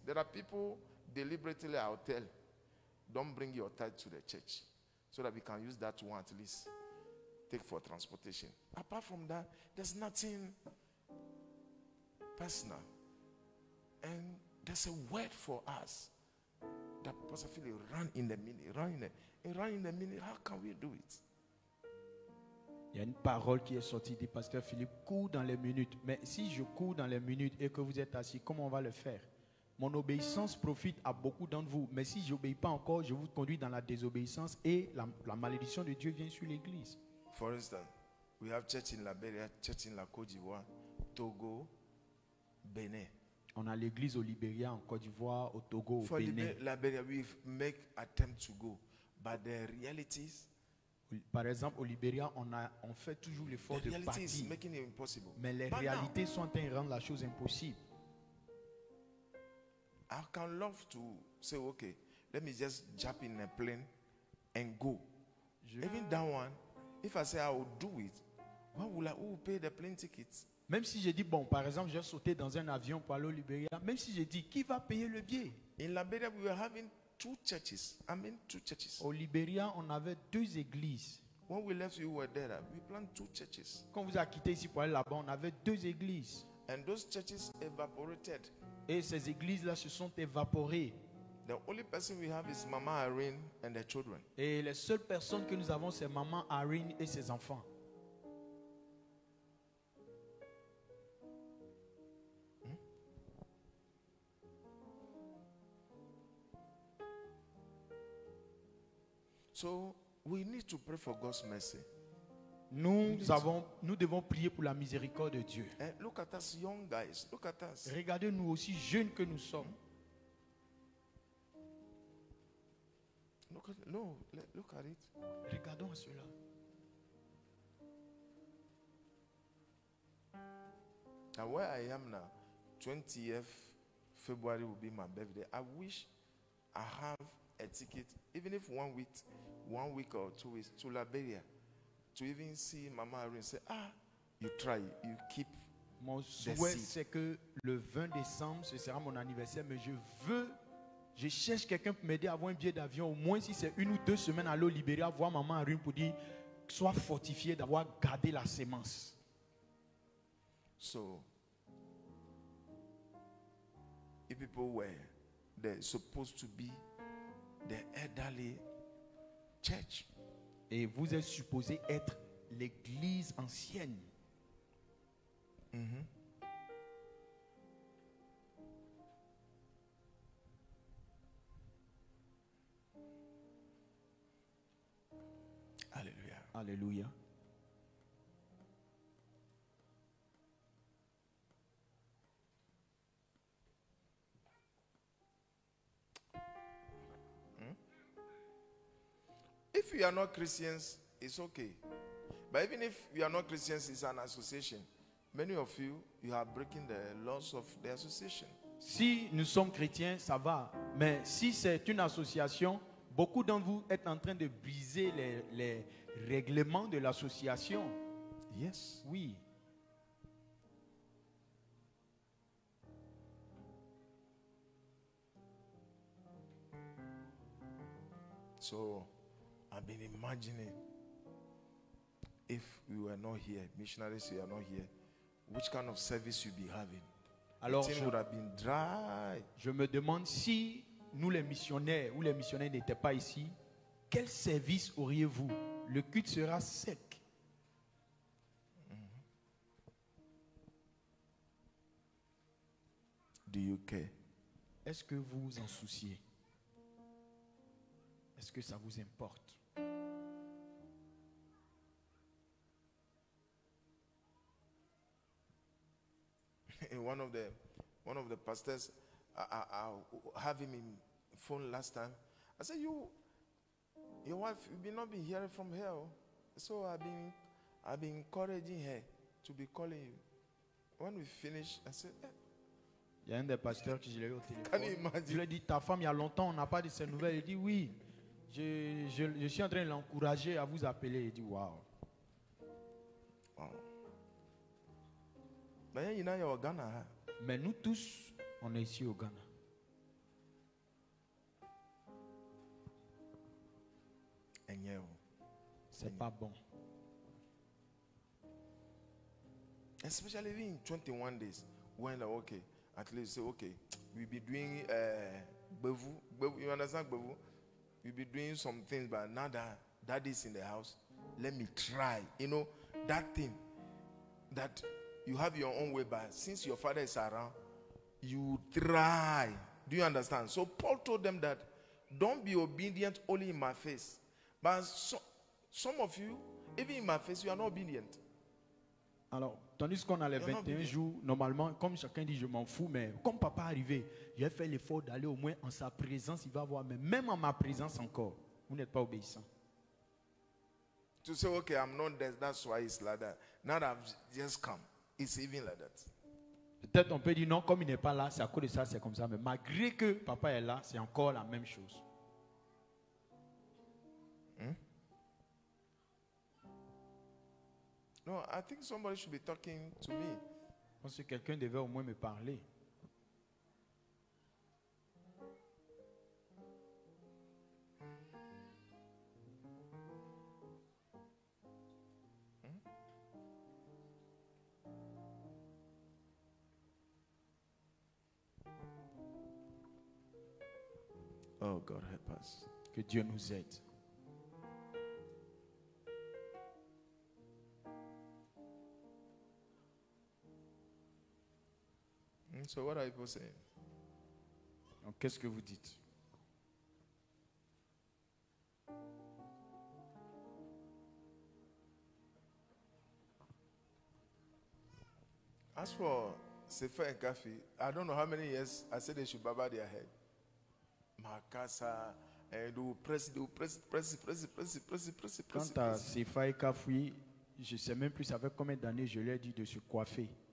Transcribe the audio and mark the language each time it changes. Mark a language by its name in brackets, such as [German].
[English] There are people deliberately, I'll tell, don't bring your tithe to the church so that we can use that one at least take for transportation. Apart from that, there's nothing personal. And there's a word for us that Pastor Philip ran in the minute, run in the minute. How can we do it? [French] Il y a une parole qui est sortie du pasteur Philippe, cours dans les minutes. Mais si je cours dans les minutes et que vous êtes assis, comment on va le faire? Mon obéissance profite à beaucoup d'entre vous. Mais si je n'obéis pas encore, je vous conduis dans la désobéissance et la malédiction de Dieu vient sur l'église. [English] For instance, we have church in Liberia, church in la Côte d'Ivoire, Togo, Benin. [French] On a l'église au Liberia, en Côte d'Ivoire, au Togo, au [English] For [French] Benin. [English] For Liberia, we make attempt to go. But the realities... [French] Par exemple, au Libéria, on fait toujours l'effort de partir. Mais les réalités sont en train de rendre la chose impossible. [English] I can love to say, okay, let me just jump in a plane and go. Even that one, if I say I will do it, who will pay the plane tickets? [French] Même si j'ai dit, bon, par exemple, j'ai sauté dans un avion pour aller au Libéria, même si j'ai dit, qui va payer le billet? [English] In Liberia, we were having... Two churches. [French] Au Liberia, on avait deux églises. [English] When we left, we were there. We planned two churches. [French] Quand vous a quitté ici pour aller là-bas, on avait deux églises. [English] And those churches evaporated. [French] Et ces églises-là se sont évaporées. [English] The only person we have is Mama Irene and their children. [French] Et les seules personnes que nous avons, c'est Maman Irene et ses enfants. [English] So we need to pray for God's mercy. [French] Nous devons prier pour la miséricorde de Dieu. [English] And look at us, young guys. Look at us. [French] Regardez-nous aussi jeunes que nous sommes. [English] Look at it. [French] Regardons à cela. [English] And where I am now, 20th February will be my birthday. I wish I have a ticket, even if 1 week. 1 week or 2 weeks to Liberia to even see Mama Irene and say, you try, you keep. [French] Mon souhait, c'est que le 20 décembre, ce sera mon anniversaire, mais je cherche quelqu'un pour m'aider à avoir un billet d'avion, au moins si c'est une ou deux semaines à aller au Liberia, voir Mama Irene pour dire, sois fortifié d'avoir gardé la sémence. [English] So, if people were, they're supposed to be the elderly. Church. [French] Et vous êtes supposé être l'église ancienne. Mm-hmm. Alléluia. Alléluia. [English] If you are not Christians, it's okay. But even if you are not Christians, it's an association. Many of you, you are breaking the laws of the association. [French] Si nous sommes chrétiens, ça va. Mais si c'est une association, beaucoup d'entre vous êtes en train de briser les règlements de l'association. [English] Yes. [French] Oui. [English] So... I've been imagining if we were not here, missionaries, we are not here, which kind of service you'd be having? [French] Alors, [English] would have been dry. [French] Je me demande si nous les missionnaires ou les missionnaires n'étaient pas ici, quel service auriez-vous? Le culte sera sec. [English] Do you care? [French] Est-ce que vous en souciez? Est-ce que ça vous importe? [English] One of the pastors, I have him in phone last time. I said, your wife, you will not be hearing from her. So I've been encouraging her to be calling you. When we finish, I said, [French] Il y a un des pasteurs qui je l'ai eu au téléphone. Imagine? Je lui ai dit, ta femme, il y a longtemps, on n'a pas de ses nouvelles. Il dit, oui, je suis en train de l'encourager à vous appeler. Il dit, wow. Mais au Ghana. Mais nous tous, on est ici au Ghana. C'est pas bon. [English] Especially in 21 days, when okay, at least say okay, we'll be doing bevu, you understand bevu? We'll be doing some things, but now that daddy is in the house, let me try. You know, that thing that you have your own way, but since your father is around, you try. Do you understand? So Paul told them that don't be obedient only in my face. But some of you, even in my face, you are not obedient. [French] Alors, tandis qu'on allait 21 jours, normalement, comme chacun dit, je m'en fous, mais comme papa est arrivé, j'ai fait l'effort d'aller au moins en sa présence, il va voir, mais même en ma présence encore, vous n'êtes pas obéissant. [English] To say, okay, I'm not there, that's why it's like that. Now that I've just come, it's even like that. [French] Peut-être on peut dire, non, comme il n'est pas là, c'est à cause de ça, c'est comme ça, mais malgré que papa est là, c'est encore la même chose. [English] No, I think somebody should be talking to me. [French] Parce que quelqu'un devait au moins me parler. [English] Oh God, help us. [French] Que Dieu nous aide. [English] So what are people saying? [French] Donc, qu'est-ce que vous dites? [English] As for Sefa and Kafi, I don't know how many years I said they should baba their head. Makasa, and press. [French] Quant à Sefa et Kafi, je ne sais même plus avec combien d'années je leur ai dit de se coiffer.